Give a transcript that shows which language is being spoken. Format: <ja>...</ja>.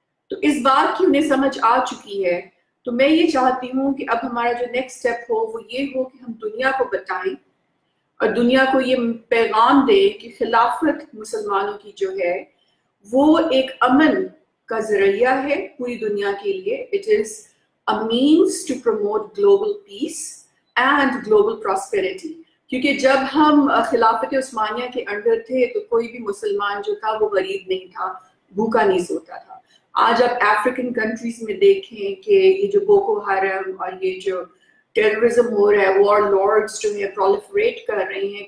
<ur>تو اس بات کی انہیں سمجھ آ چکی ہے. تو میں یہ چاہتی ہوں کہ اب ہمارا جو نیکسٹ سٹیپ ہو وہ یہ ہو کہ ہم دنیا کو بتائیں اور دنیا کو یہ پیغام دیں کہ خلافت مسلمانوں کی جو ہے وہ ایک امن کا ذریعہ ہے پوری دنیا کے لیے.</ur> <en>It is a means to promote global peace and global prosperity.</en> <ur>کیونکہ جب ہم خلافت عثمانیہ کے انڈر تھے تو کوئی بھی مسلمان جو تھا وہ غریب نہیں تھا، بھوکا نہیں سوتا تھا. آج آپ افریقن کنٹریز میں دیکھیں کہ یہ جو بوکو حرم اور یہ جو ٹیررزم ہو رہا ہے، وار لارڈز جو ہیں پرولیفریٹ کر رہے ہیں.</ur>